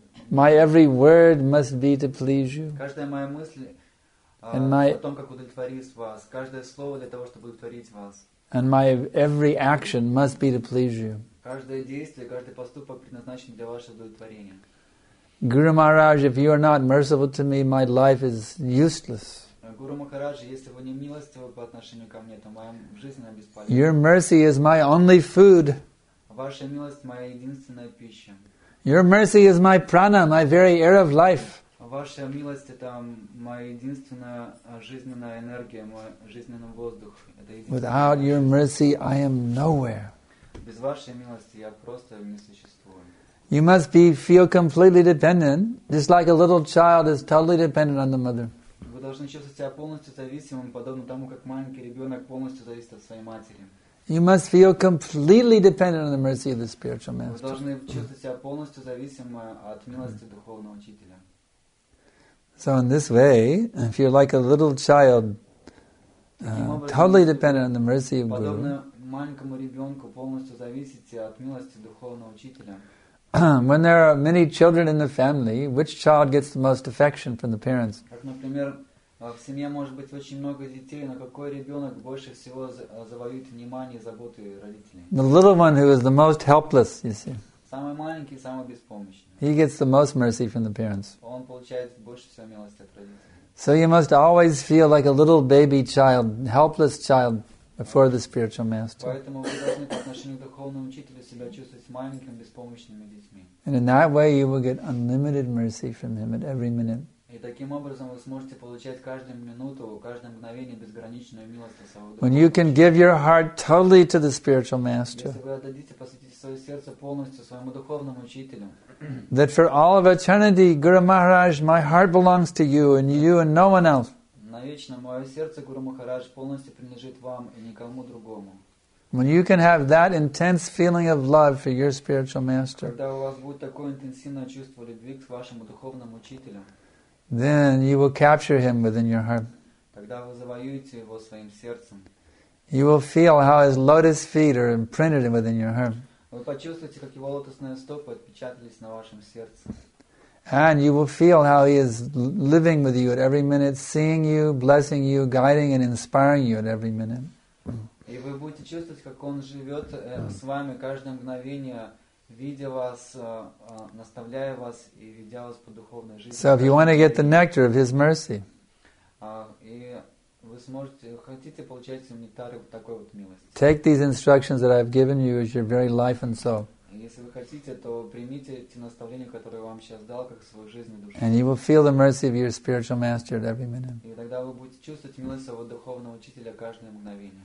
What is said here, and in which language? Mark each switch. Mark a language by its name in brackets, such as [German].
[English] My every word must be to please you. And my, [Russian] о том, как удовлетворить вас. Каждое слово для того, чтобы удовлетворить вас. [English] And my every action must be to please you. [Russian] Каждое действие, каждый поступок предназначен для вашего удовлетворения. [English] Guru Maharaj, if you are not merciful to me, my life is useless. [Russian] Guru Maharaj, если вы не милостивы по отношению ко мне, то моя жизнь бесполезна. [English] Your mercy is my only food. [Russian] Ваша милость моя единственная пища. [English] Your mercy is my prana, my very air of life. [Russian] Ваша милость это моя единственная жизненная энергия, мой жизненный воздух. [English] Without your mercy, I am nowhere. [Russian] Без вашей милости я просто не существую. [English] You must feel completely dependent, just like a little child is totally dependent on the mother. [Russian] Вы должны чувствовать себя полностью зависимым, подобно тому, как маленький ребенок полностью зависит от своей матери. [English] You must feel completely dependent on the mercy of the spiritual master. [Russian] Вы должны чувствовать себя полностью зависимым от милости духовного учителя. [English] So in this way, if you're like a little child, totally dependent on the mercy of Guru, when there are many children in the family, which child gets the most affection from the parents? [Russian] В семье может быть очень много детей, но какой ребенок больше всего завоюет внимание и заботу родителей? [English] The little one who is the most helpless, you see. [Russian] Самый маленький, самый беспомощный. [English] He gets the most mercy from the parents. [Russian] Он получает больше всего милости от родителей. [English] So you must always feel like a little baby child, helpless child before the spiritual master. [Russian] Поэтому вы должны по отношению к духовному учителю себя чувствовать маленьким, беспомощными детьми. [English] And in that way you will get unlimited mercy from him at every minute. [Russian] И таким образом вы сможете получать каждую минуту, каждое мгновение безграничную милость от своего духа. [English] When you can give your heart totally to the spiritual master. [Russian] Если вы отдадите, посвятите свое сердце полностью своему духовному учителю. [English] That for all of eternity, Guru Maharaj, my heart belongs to you and you and no one else. [Russian] Навечно мое сердце, Гуру Махарадж, полностью принадлежит вам и никому другому. [English] When you can have that intense feeling of love for your spiritual master. [Russian] Когда у вас будет такое интенсивное чувство любви к вашему духовному учителю. [English] Then you will capture him within your heart. [Russian] Тогда вы завоюете его своим сердцем. [English] You will feel how his lotus feet are imprinted within your heart. [Russian] Вы почувствуете, как его лотосные стопы отпечатались на вашем сердце. [English] And you will feel how he is living with you at every minute, seeing you, blessing you, guiding and inspiring you at every minute. [Russian] И вы будете чувствовать, как он живет с вами каждое мгновение. Видя вас, наставляя вас и ведя вас по духовной жизни. [English] So if you want to get the nectar of his mercy, [Russian] и вы сможете, хотите получать нектар такой вот милости. [English] Take these instructions that I've given you as your very life and soul. [Russian] Если вы хотите, то примите эти наставления, которые вам сейчас дал, как свою жизнь и душу. [English] And you will feel the mercy of your spiritual master at every minute. [Russian] И тогда вы будете чувствовать милость своего духовного учителя каждое мгновение.